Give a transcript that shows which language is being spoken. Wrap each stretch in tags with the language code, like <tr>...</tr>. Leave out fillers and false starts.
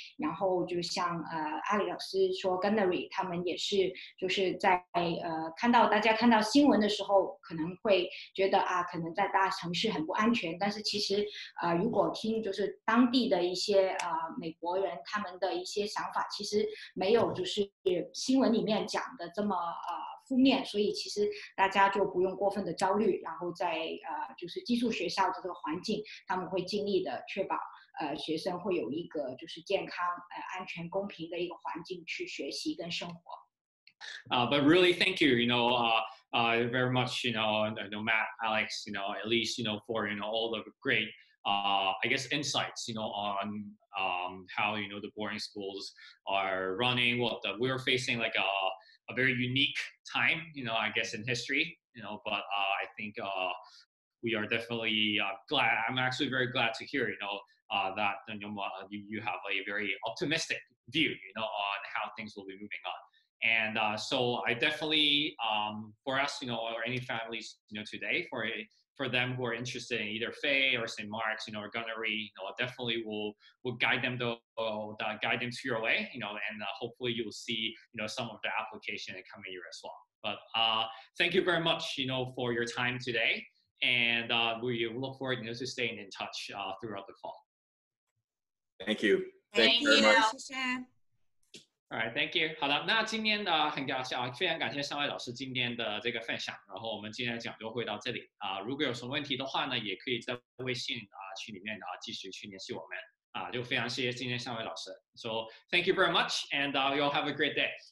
<zh>然后就像阿里老师说 Gunnery 他们也是就是在看到大家看到新闻的时候可能会觉得啊可能在大城市很不安全，但是其实如果听就是当地的一些美国人他们的一些想法，其实没有就是新闻里面讲的这么负面，所以其实大家就不用过分的焦虑，然后在就是寄宿学校的这个环境，他们会尽力的确保学生会有一个就是健康安全公平的一个环境去学习跟生活。</zh> <en>But really, thank you, you know, very much, you know, Matt, Alex, you know, Elise, you know, for, you know, all the great, I guess, insights, you know, on how, you know, the boarding schools are running, we're facing like a very unique time, you know, I guess, in history, you know, but I think we are definitely glad, I'm actually very glad to hear, you know, that you have a very optimistic view, you know, on how things will be moving on. And so I definitely, for us, you know, or any families, you know, today, for them who are interested in either Faye or St. Mark's, you know, or Gunnery, you know, definitely will guide them to your way, you know, and hopefully you will see, you know, some of the application in the coming year as well. But thank you very much, you know, for your time today. And we look forward, you know, to staying in touch throughout the fall. Thank you. Thank you very much. Alright, thank you.</en> <zh>好的，那今天的很感谢非常感谢三位老师今天的这个分享，然后我们今天的讲座会到这里。如果有什么问题的话呢，也可以在微信群里面继续去联系我们。就非常谢谢今天三位老师。</zh> <en>So, thank you very much, and you all have a great day.</en>